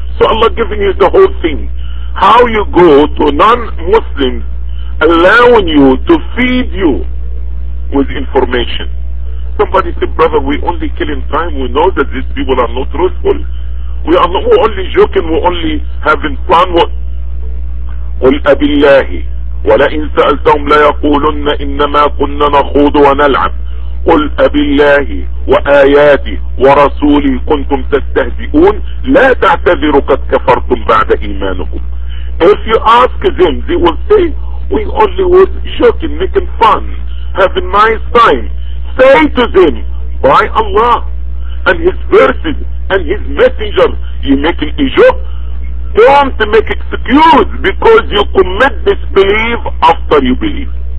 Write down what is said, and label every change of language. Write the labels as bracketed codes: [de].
[en] So Allah giving you the whole thing. How you go to non-Muslims allowing you to feed you with information. Somebody said, brother, we only killing time. We know that these people are not truthful. We are not, we're only joking. We're only having fun. [ar] قُلْ أَبِ اللَّهِ وَلَئِنْ سَأَلْتَهُمْ لَيَقُولُنَّ إِنَّمَا كُنَّ نَخُوضُ وَنَلْعَبُ قل أبي الله وآياته ورسولي كنتم تستهزئون لا تعتذروا قد كفرتم بعد إيمانكم. [en] If you ask them, they will say, we only was joking, making fun, having nice time. Say to them, by Allah and His verses and His messenger, you making a joke? Don't make excuse because you commit disbelief after you believe.